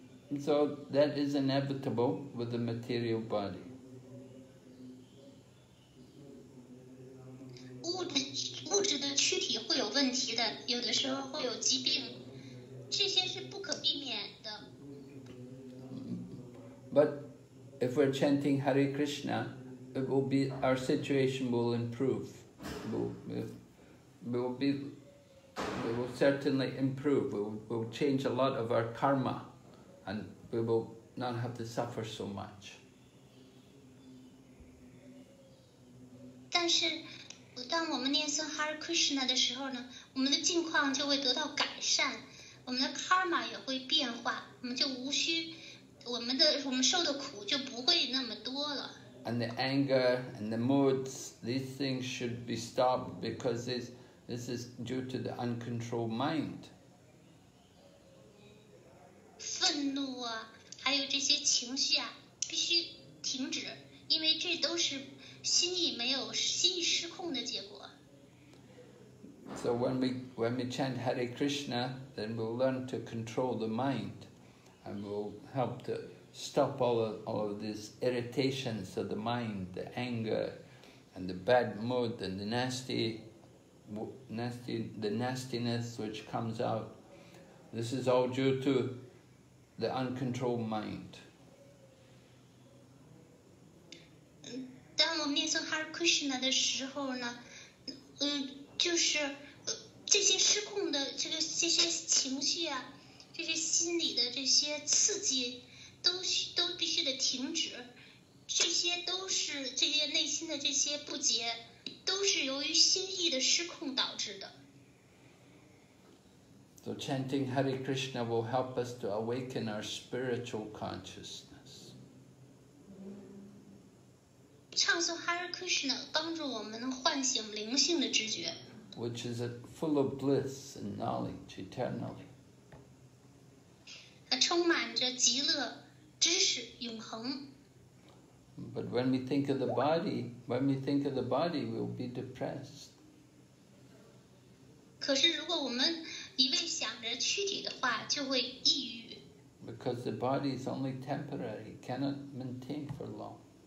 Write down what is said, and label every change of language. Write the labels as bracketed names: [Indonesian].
[English] And so that is inevitable with the material body. [Chinese] 物质的躯体会有问题的，有的时候会有疾病，这些是不可避免的。 [English] But if we're chanting Hare Krishna, it will be our situation will improve. We will certainly improve. We will change a lot of our karma, and we will not have to suffer so much. [Chinese] 但是。当我们念诵 Hare Krishna 的时候呢，我们的境况就会得到改善，我们的 karma 也会变化，我们就无需我们受的苦就不会那么多了。 [English] And the anger and the moods, these things should be stopped because this is due to the uncontrolled mind. [Chinese] 愤怒啊，还有这些情绪啊，必须停止，因为这都是。 [English] So when we chant Hare Krishna, then we'll learn to control the mind, and we'll help to stop all of these irritations of the mind, the anger, and the bad mood and the nastiness which comes out. This is all due to the uncontrolled mind. [Chinese] 当我念诵 Hare Krishna 的时候呢，这些失控的这些情绪啊，这些心理的这些刺激都必须得停止，这些都是这些内心的这些不洁都是由于心意的失控导致的。 [English] So chanting Hare Krishna will help us to awaken our spiritual consciousness. [Chinese] 唱诵 Hare Krishna 帮助我们唤醒灵性的知觉， [English] which is full of bliss and knowledge eternally. [Chinese] 充满着极乐知识永恒。 [English] But when we think of the body, we'll be depressed. [Chinese] 可是如果我们一味想着躯体的话，就会抑郁。 [English] Because the body is only temporary, cannot maintain for long.